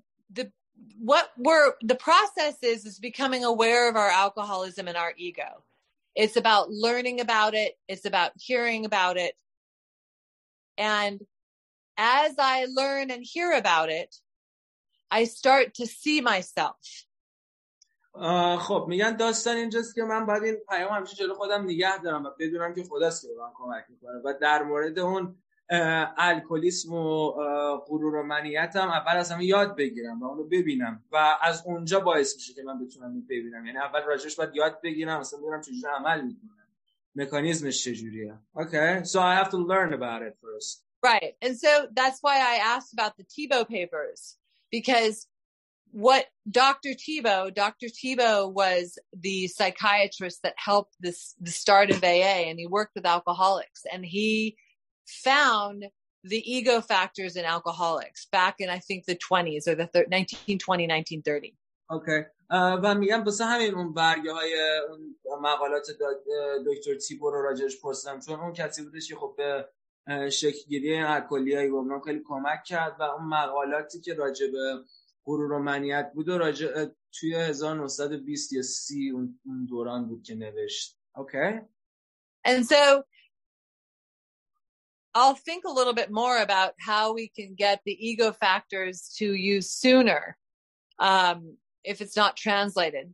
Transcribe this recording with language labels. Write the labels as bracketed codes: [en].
[en] The process is becoming aware of our alcoholism and our ego. It's about learning about it, it's about hearing about it. And as I learn and hear about it, I start to see myself. [fa] خب میگن داستان اینجاست که من باید این پیام همیشه جلو خودم نگه دارم و بدونم که خداست که به من کمک میکنه. و در مورد اون الکلیسم و غرور و منیتم اول از همه یاد بگیرم و اونو ببینم و از اونجا باعث میشه که من بتونم اون ببینم. یعنی اول راجعش باید یاد بگیرم، اصلا ببینم چجوری عمل میکنه، مکانیزمش چجوریه. [en] Okay, so I have to learn about it first. Right. And so that's why I asked about the Thiebaud papers, because what Dr. Thiebaud was the psychiatrist that helped the start of AA, and he worked with alcoholics, and he found the ego factors in alcoholics back in, I think, the 20s or the 1920, 1930. Okay. And I'm going to [fa] شکل گیری الکلی های بابنا خیلی کمک کرد و اون مقالاتی که راجع به غرور و منیت بود و راجع توی 1920 یا 30 اون دوران بود که نوشت. [en] Okay. And so I'll think a little bit more about how we can get the ego factors to use sooner if it's not translated.